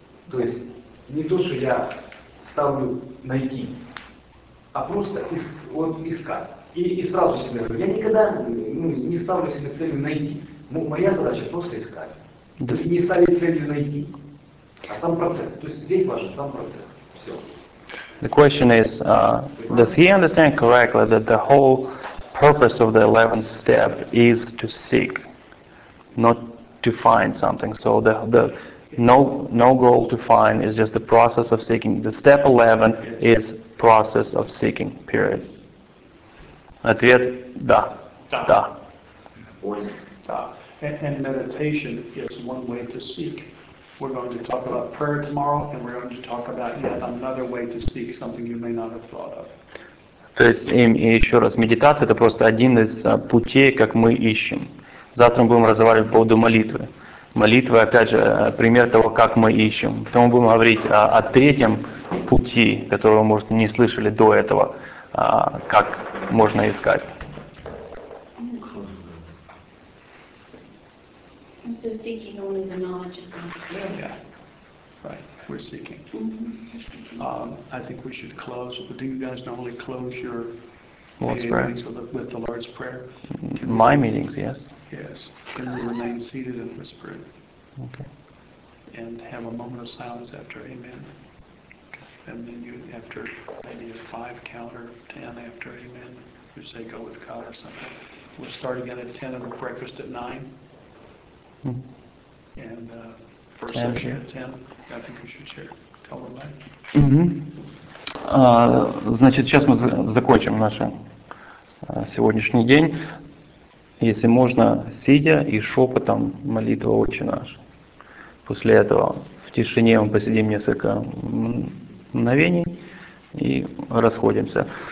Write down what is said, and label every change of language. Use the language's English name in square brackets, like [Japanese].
[Russian] То есть не то, что я ставлю найти, а просто искать. И сразу себе говорю, я никогда не ставлю себе целью найти. Моя задача – просто искать. То есть не ставить целью найти, а сам процесс. То есть здесь важен сам процесс. Все. [English] The question is, does he understand correctly that the whole purpose of the 11th step is to seek, not to find something. So the no goal to find is just the process of seeking. The step 11 is process of seeking, period. [Russian] Ответ – да. [English] Да. And meditation is one way to seek. We're going to talk about prayer tomorrow, and we're going to talk about yet another way to seek something you may not have thought of. [Russian] То есть, и еще раз, медитация – это просто один из путей, как мы ищем. Завтра мы будем разговаривать по поводу молитвы. Молитва, опять же, пример того, как мы ищем. Потом мы будем говорить о третьем пути, который вы, может, не слышали до этого, как можно искать. [English] Just seeking only the knowledge of God. Yeah, right, we're seeking. I think we should close, do you guys normally close your meetings with the Lord's Prayer? My meetings, yes. Yes, can we remain seated and whisper it? Okay. And have a moment of silence after amen. And then you, after maybe a five count or 10 after amen, you say go with God or something. We'll start again at 10 and we'll breakfast at 9. And first session at 10, I think we should share. Tell them that. [Russian] Значит, сейчас мы закончим наш сегодняшний день. Если можно, сидя и шепотом молитва «Отче наш». После этого в тишине мы посидим несколько мгновений и расходимся.